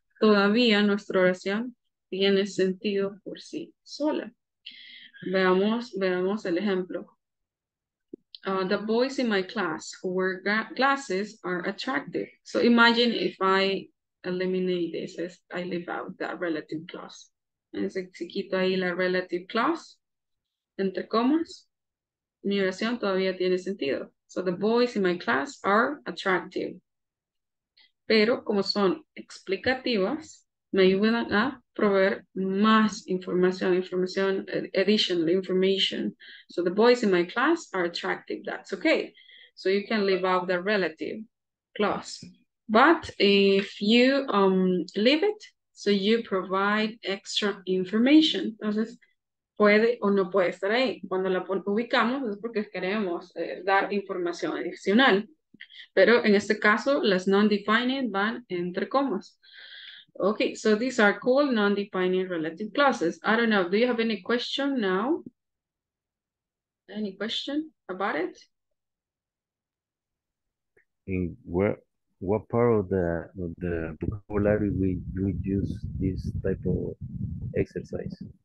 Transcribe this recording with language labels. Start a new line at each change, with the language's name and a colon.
Spanish: Todavía nuestra oración tiene sentido por sí sola. Veamos el ejemplo.
English: The boys in my class who wear glasses are attractive. So imagine if I eliminate this as I leave out that relative clause.
Spanish: Es decir, si quito ahí la relative clause, entre comas, mi oración todavía tiene sentido.
English: So the boys in my class are attractive.
Spanish: Pero como son explicativas, me ayudan a proveer más información,
English: additional information. So the boys in my class are attractive, that's okay. So you can leave out the relative clause. But if you leave it, so you provide extra information.
Spanish: Entonces, puede o no puede estar ahí. Cuando la ubicamos, es porque queremos dar información adicional. Pero en este caso, las non-defining van entre comas.
English: Okay, so these are called non-defining relative clauses. I don't know, do you have any question now? Any question about it? In what part of the vocabulary will you use this type of exercise?